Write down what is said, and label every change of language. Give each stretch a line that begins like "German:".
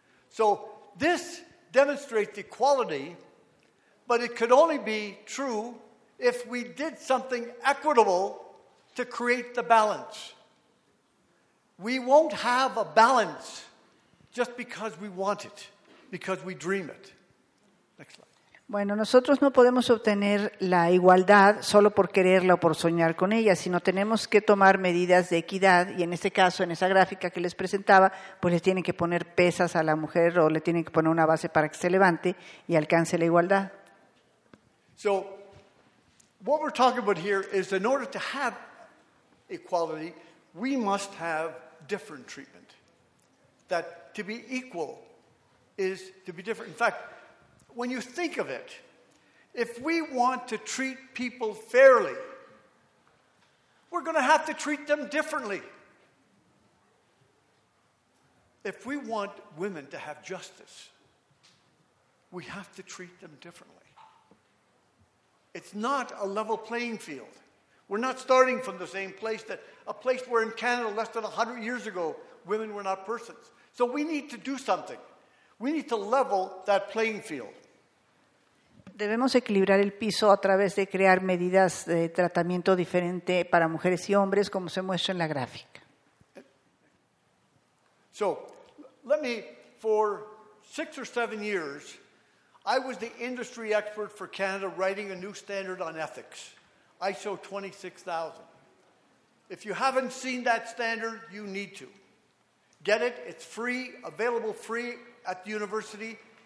English: So this demonstrates equality, but it could only be true if we did something equitable to create the balance. We won't have a balance just because we want it, because we dream it. Next slide.
Spanish: Bueno, nosotros no podemos obtener la igualdad solo por quererla o por soñar con ella, sino tenemos que tomar medidas de equidad, y en este caso, en esa gráfica que les presentaba, pues le tienen que poner pesas a la mujer o le tienen que poner una base para que se levante y alcance la igualdad.
English: So, what we're talking about here is, in order to have equality, we must have different treatment. That to be equal is to be different. In fact, when you think of it, if we want to treat people fairly, we're going to have to treat them differently. If we want women to have justice, we have to treat them differently. It's not a level playing field. We're not starting from the same place, that a place where in Canada less than 100 years ago, women were not persons. So we need to do something. We need to level that playing field.
Spanish: Debemos equilibrar el piso a través de crear medidas de tratamiento diferente para mujeres y hombres, como se muestra en la gráfica.
English: So, let me, for 6 or 7 years, I was the industry expert for Canada writing a new standard on ethics, ISO 26000. If you haven't seen that standard, you need to. Get it, it's free, available free at the university.